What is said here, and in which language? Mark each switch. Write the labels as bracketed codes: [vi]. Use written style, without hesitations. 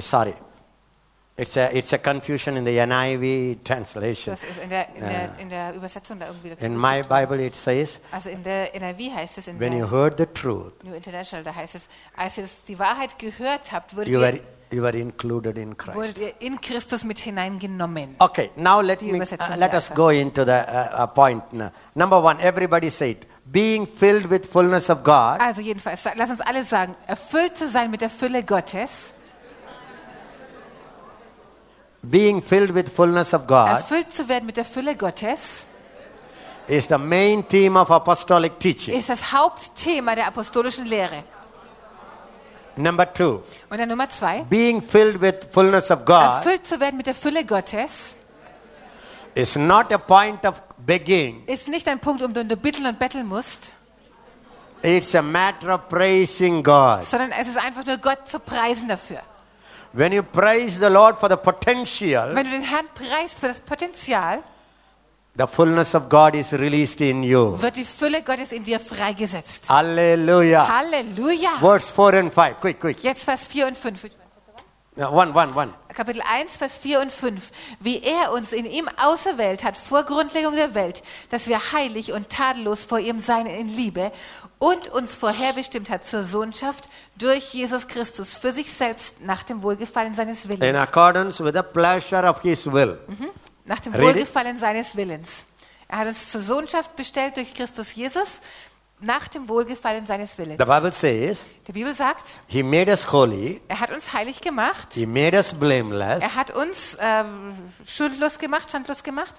[en] Sorry, it's a confusion in the NIV translation. [de] Das ist in der Übersetzung da irgendwie. [en] In my Bible it says. [de] Also in der NIV heißt es in [en] When [de] der [en] you heard the truth, [de] New International, da heißt es, als ihr die Wahrheit gehört habt, wurdet ihr [en] included in Christ. [de] Wurdet ihr in Christus mit hineingenommen. [en] Okay, now let us go into the point. Number one, everybody say it. Being filled with fullness of God. [de] Also jedenfalls, lass uns alle sagen, erfüllt zu sein mit der Fülle Gottes. [en] Being filled with fullness of God. [de] Erfüllt zu werden mit der Fülle Gottes. [en] Is the main theme of apostolic teaching. [de] Ist das Hauptthema der apostolischen Lehre. [en] Number two. [de] Und dann Nummer zwei. [en] Being filled with fullness of God. [de] Erfüllt zu werden mit der Fülle Gottes. [en] Is not a point of begging. [de] Ist nicht ein Punkt, um den du bitteln und betteln musst. [en] It's a matter of praising God. [de] Sondern es ist einfach nur Gott zu preisen dafür. [en] When you praise the Lord for the potential. [de] Wenn du den Herrn preist für das Potenzial. [en] The fullness of God is released in you. [de] Wird die Fülle Gottes in dir freigesetzt. [en] Halleluja. [de] Halleluja. [en] Verse 4 and 5. Quick. [de] Jetzt Vers 4 und 5. [en] One. [de] Kapitel 1, Vers 4 und 5. Wie er uns in ihm auserwählt hat vor Grundlegung der Welt, dass wir heilig und tadellos vor ihm seien in Liebe und uns vorherbestimmt hat zur Sohnschaft durch Jesus Christus für sich selbst nach dem Wohlgefallen seines Willens. [en] In accordance with the pleasure of his will. [de] Nach dem Wohlgefallen seines Willens. Er hat uns zur Sohnschaft bestellt durch Christus Jesus nach dem Wohlgefallen seines Willens. [en] The Bible says, [de] die Bibel sagt, [en] he made us holy, [de] er hat uns heilig gemacht, [en] he made us blameless, [de] er hat uns schandlos gemacht.